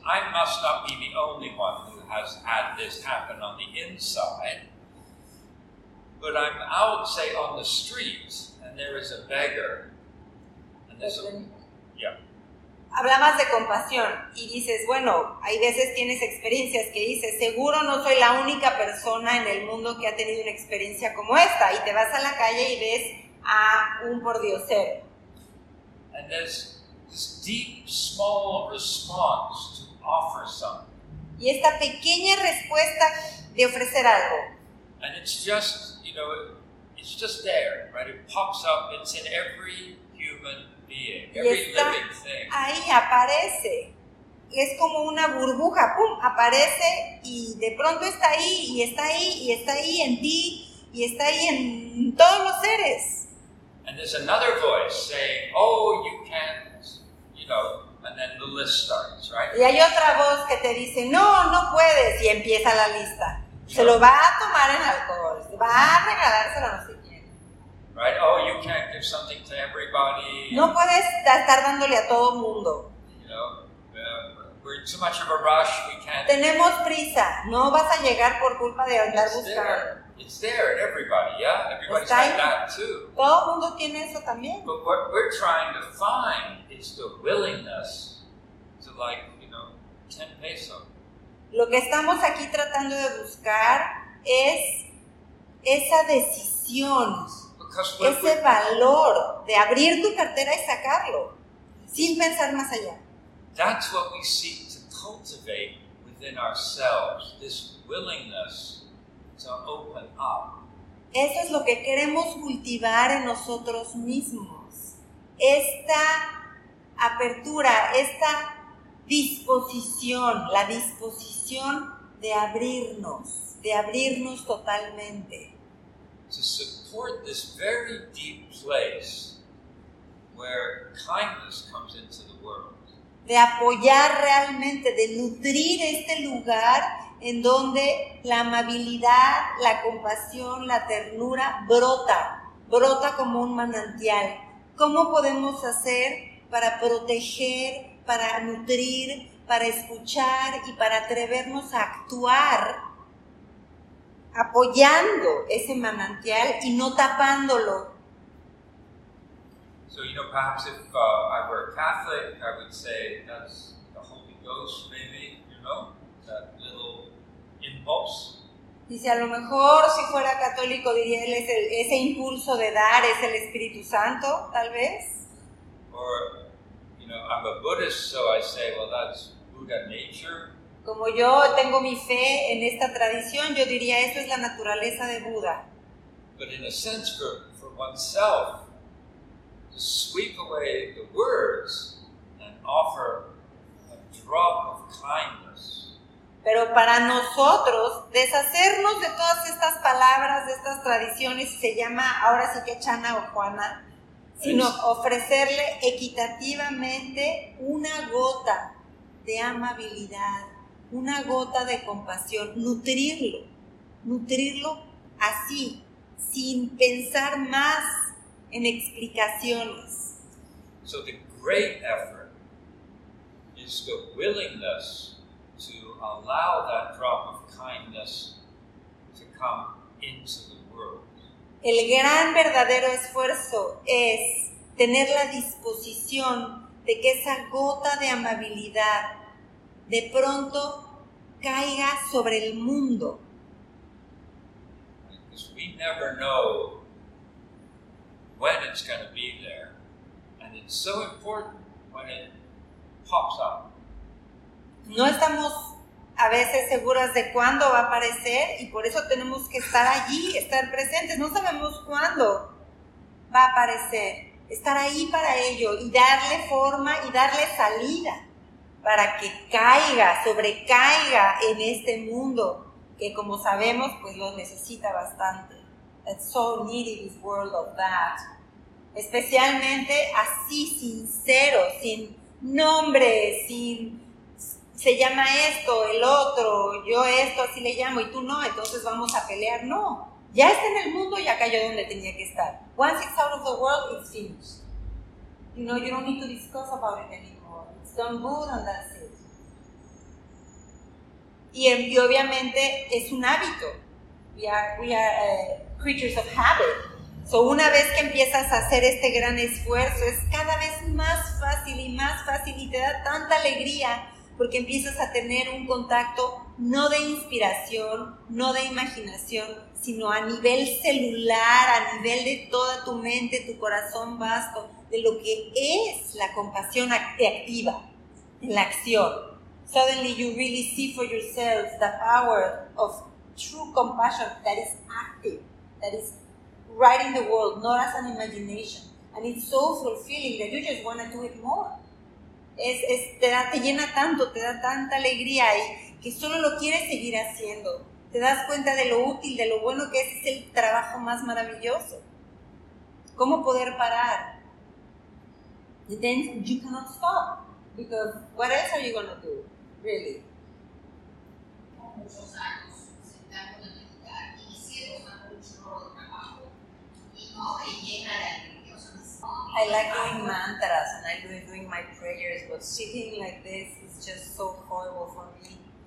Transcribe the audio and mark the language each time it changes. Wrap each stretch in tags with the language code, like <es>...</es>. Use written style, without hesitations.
<en>I must not be the only one who has had this happen on the inside, but I'm out, say, on the street, and there is a beggar, and there's a, yeah.</en> <es>Hablabas de compasión y dices, bueno, hay veces tienes experiencias que dices, seguro no soy la única persona en el mundo que ha tenido una experiencia como esta. Y te vas a la calle y ves a un pordiosero.</es> <en>And there's this deep, small response to offer something.</en> <es>Y esta pequeña respuesta de ofrecer algo.</es> <en>And it's just, you know, it's just there, right? It pops up, it's in every human being, every living thing.</en> <es>Ahí aparece, es como una burbuja, pum, aparece y de pronto está ahí, y está ahí, y está ahí en ti, y está ahí en todos los seres.</es> <en>And there's another voice saying, oh, you can't, you know, and then the list starts, right?</en> <es>Y hay otra voz que te dice, no, no puedes, y empieza la lista. Se lo va a tomar en alcohol, va a regalárselo a no sé quién.</es> <en>Right? Oh, you can't give something to everybody.</en> <es>No puedes estar dándole a todo mundo.</es> <en>You know, we're in too much of a rush, we can't.</en> <es>Tenemos prisa, no vas a llegar por culpa de andar buscando.</es> <en>It's there in everybody, yeah? Everybody's got that too.</en> <es>Todo mundo tiene eso también.</es> <en>But what we're trying to find is the willingness to, like, you know, 10 pesos.</en> <es>Lo que estamos aquí tratando de buscar es esa decisión, ese valor de abrir tu cartera y sacarlo, sin pensar más allá.</es> <en>That's what we seek to cultivate within ourselves, this willingness to open up.</en> <es>Eso es lo que queremos cultivar en nosotros mismos, esta apertura, esta disposición, la disposición de abrirnos totalmente.</es> <en>To support this very deep place where kindness comes into the world.</en> <es>De apoyar realmente, de nutrir este lugar en donde la amabilidad, la compasión, la ternura brota, brota como un manantial. ¿Cómo podemos hacer para proteger, para nutrir, para escuchar y para atrevernos a actuar apoyando ese manantial y no tapándolo?</es> <en>So, you know, perhaps if I were a Catholic, I would say that's the Holy Ghost, maybe, you know, that little impulse.</en> <es>Dice, a lo mejor si fuera católico diría, él es el, ese impulso de dar, es el Espíritu Santo, tal vez.</es> <en>Or, you know, I'm a Buddhist, so I say, well, that's Buddha nature.</en> <es>Como yo tengo mi fe en esta tradición, yo diría, eso es la naturaleza de Buda.</es> <en>But in a sense, for oneself, to sweep away the words and offer a drop of kindness.</en> <es>Pero para nosotros, deshacernos de todas estas palabras, de estas tradiciones, se llama, ahora sí que Chana o Juana, sino ofrecerle equitativamente una gota de amabilidad, una gota de compasión, nutrirlo, nutrirlo así, sin pensar más en explicaciones.</es> <en>So the great effort is the willingness to allow that drop of kindness to come into the world.</en> <es>El gran verdadero esfuerzo es tener la disposición de que esa gota de amabilidad de pronto caiga sobre el mundo.</es> <en>Because we never know when it's going to be there. And it's so important when it pops up.</en> <es>No estamos a veces seguras de cuándo va a aparecer, y por eso tenemos que estar allí, estar presentes. No sabemos cuándo va a aparecer. Estar ahí para ello y darle forma y darle salida para que caiga, sobrecaiga en este mundo que, como sabemos, pues lo necesita bastante.</es> <en>It's so needy, this world of that.</en> <es>Especialmente así, sincero, sin nombre, sin... Se llama esto, el otro, yo esto, así le llamo, y tú no, entonces vamos a pelear. No, ya está en el mundo y acá yo donde tenía que estar.</es> <en>Once it's out of the world, it's finished. You know, you don't need to discuss about it anymore. It's done good and that's it.</en> <es>Y obviamente es un hábito.</es> <en>We are creatures of habit.</en> <es>So una vez que empiezas a hacer este gran esfuerzo, es cada vez más fácil y más fácil, y te da tanta alegría porque empiezas a tener un contacto no de inspiración, no de imaginación, sino a nivel celular, a nivel de toda tu mente, tu corazón vasto, de lo que es la compasión activa, la acción.</es> <en>Suddenly you really see for yourself the power of true compassion that is active, that is right in the world, not as an imagination. And it's so fulfilling that you just want to do it more.</en> <es>Te llena tanto, te da tanta alegría y que solo lo quieres seguir haciendo. Te das cuenta de lo útil, de lo bueno que es el trabajo más maravilloso. ¿Cómo poder parar?</es> <en>Then you cannot stop, because what else are you going to do, really? I like doing mantras and I like doing my prayers, but sitting like this is just so horrible for me.</en>